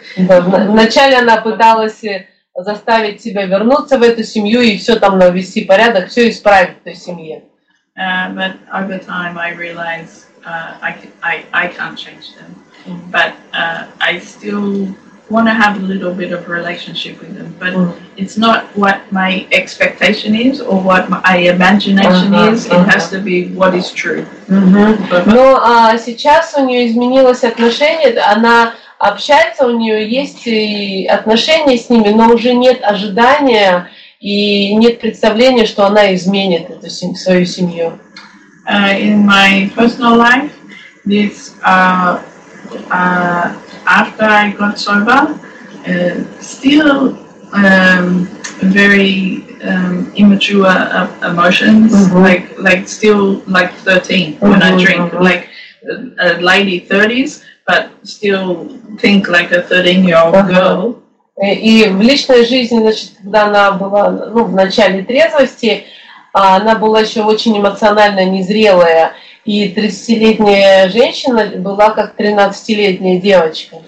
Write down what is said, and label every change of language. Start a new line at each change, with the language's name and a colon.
Russian: Да, вначале она пыталась заставить себя вернуться в эту семью и все там навести порядок, все исправить в той семье.
English: But over time, I realized I can't change them. But I still want to have a little bit of relationship with them. But it's not what my expectation is or what my imagination is. It has to be what is true.
Russian: Но сейчас у нее изменилось отношение. Она общается, у нее есть и отношения с ними, но уже нет ожидания и нет представления, что она изменит эту свою семью.
English: In my personal life, this after I got sober, still very immature emotions, like still like 13 when I drink, like a lady 30s, but still think like a 13-year-old girl.
Russian: И в личной жизни, значит, когда она была, ну, в начале трезвости, она была еще очень эмоционально незрелая, и 30-летняя женщина была как 13-летняя девочка.